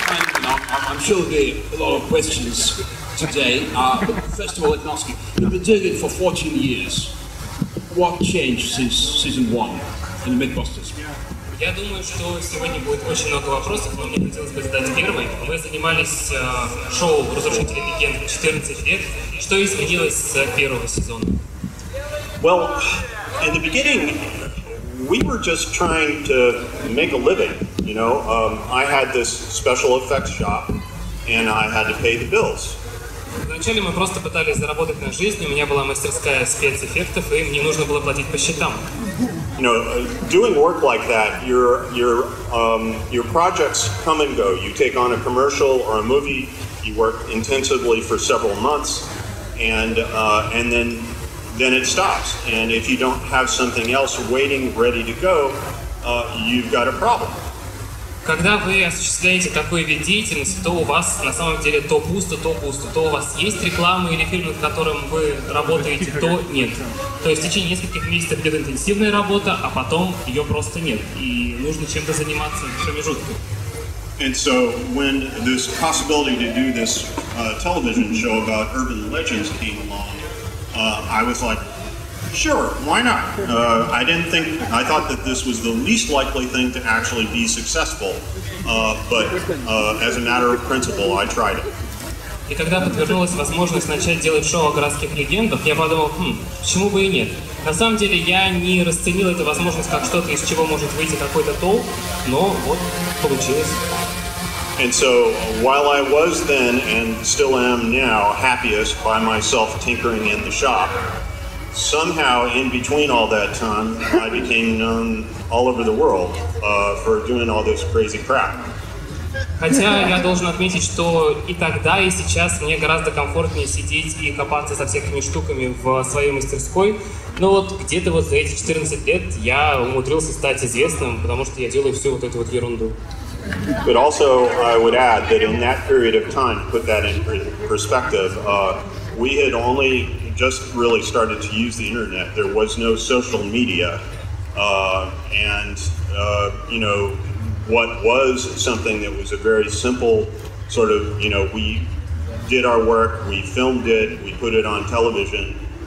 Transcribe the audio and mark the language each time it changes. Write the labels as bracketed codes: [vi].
[en] Kleinman, I'm sure there'll be a lot of questions today. First of all, let me ask you, you've been doing it for 14 years. What changed since season one in the Mythbusters? [ru] Я думаю, что сегодня будет очень много вопросов, но мне хотелось бы задать первый. Мы занимались шоу «Разрушители легенд» 14 лет. Что изменилось с первого сезона? [en] Well, in the beginning, we were just trying to make a living, you know. I had this special effects shop, and I had to pay the bills. [ru] Вначале мы просто пытались заработать на жизнь, у меня была мастерская спецэффектов, и мне нужно было платить по счетам. [en] You know, doing work like that, your projects come and go. You take on a commercial or a movie, you work intensively for several months, and then it stops. And if you don't have something else waiting, ready to go, you've got a problem. [ru] Когда вы осуществляете такой вид деятельности, то у вас на самом деле то пусто, то пусто. То у вас есть реклама или фильм, над которым вы работаете, то нет. То есть в течение нескольких месяцев идет интенсивная работа, а потом ее просто нет. И нужно чем-то заниматься в промежутке. [en] And so when this possibility to do this television show about urban legends came along, I was like, sure, why not? I thought that this was the least likely thing to actually be successful, but as a matter of principle, I tried it. [ru] И когда подвернулась возможность начать делать шоу о городских легендах, я подумал, почему бы и нет? На самом деле, я не расценил эту возможность как что-то, из чего может выйти какой-то толк, но вот получилось. [en] And so, while I was then, and still am now, happiest by myself tinkering in the shop, somehow in between all that time, I became known all over the world for doing all this crazy crap. [ru] Хотя я должен отметить, что и тогда, и сейчас мне гораздо комфортнее сидеть и копаться со всякими штуками в своей мастерской. Но вот где-то вот за эти 14 лет я умудрился стать известным, потому что я делаю всю вот эту вот ерунду. [en] But also I would add that in that period of time, put that in perspective, we had only just really started to use the internet. There was no social media. What was something that was a very simple sort of, you know, we did our work, we filmed it, we put it on television.